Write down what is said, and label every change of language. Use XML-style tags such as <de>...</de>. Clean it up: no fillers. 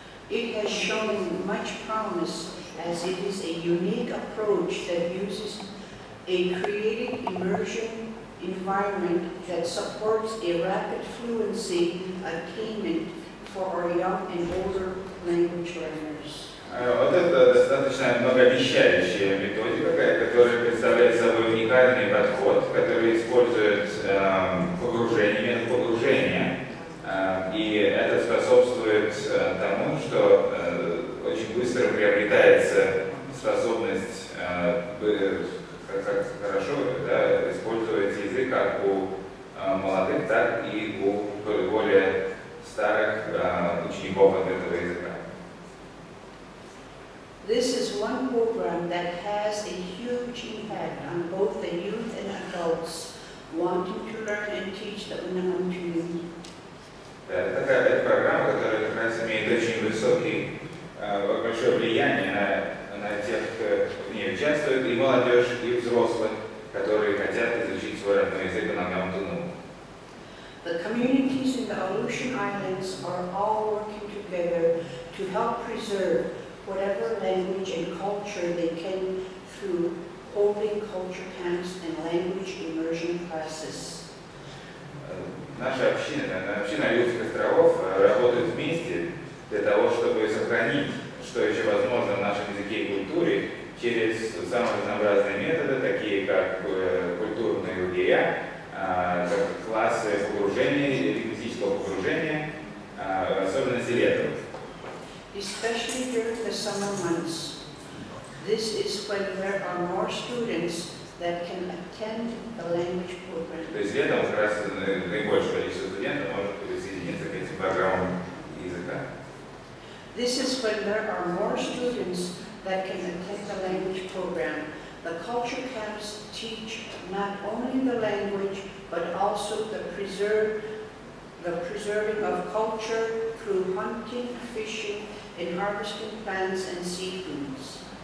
<en>It has shown much promise as it is a unique approach that uses a creative immersion environment that supports a rapid fluency attainment for our young and older language learners.</en> <ru>Вот это достаточно многообещающая методика, которая представляет собой уникальный подход, который использует погружение, метод погружения. И это способствует тому, что очень быстро приобретается способность хорошо использовать язык как у молодых, так и у более старых учеников этого языка.</ru> <en>This is one program that has a huge impact on both the youth and adults wanting to learn and teach the Unamachunu.</en> <ru>Такая программа, которая как раз имеет очень большое влияние на тех, кто в ней участвует, и молодежь, и взрослых, которые хотят изучить свой родной язык Унамгам-Туну.</ru> <en>The communities in the Aleutian Islands are all working together to help preserve whatever language and culture they can through holding culture camps and language immersion classes.</en> <ru>Наша община Аляских островов работает вместе для того, чтобы сохранить, что еще возможно в нашем языке и культуре, через самые разнообразные методы, такие как культурные лагеря, как классы погружения, лингвистического погружения, особенно летом.</ru> <en>especially during the summer months. This is when there are more students that can attend a language program.</en> <ru>То есть летом, как раз, наибольшее количество студентов может присоединиться к этим программам языка.</ru> <en>This is when there are more students that can attend a language program. The culture camps teach not only the language, but also the preserving of culture through hunting, fishing, and harvesting plants and seedlings.</en>